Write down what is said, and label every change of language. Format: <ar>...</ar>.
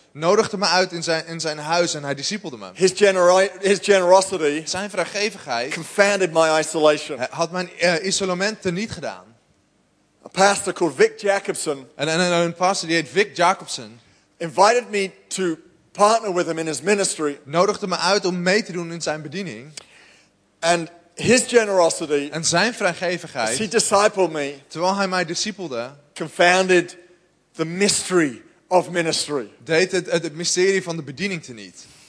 <nl>Nodigde me uit in zijn huis en hij discipelde me.</nl> <en>His generosity.</en> <nl>Zijn vrijgevigheid.</nl> <en>Confounded my isolation.</en> <nl>Had mijn isolement teniet gedaan.</nl> <en>A pastor called Vic Jacobson.</en> <nl>En een pastor die heet Vic Jacobson.</nl> <en>Invited me to partner with him in his ministry.</en> <nl>Nodigde me uit om mee te doen in zijn bediening.</nl> <en>And his generosity,</en> <nl>en zijn vrijgevigheid,</nl> <en>as he discipled me,</en> <nl>terwijl hij mij discipelde,</nl> <en>confounded the mystery of ministry.</en> <nl>Deed het mysterie van de bediening teniet.</nl>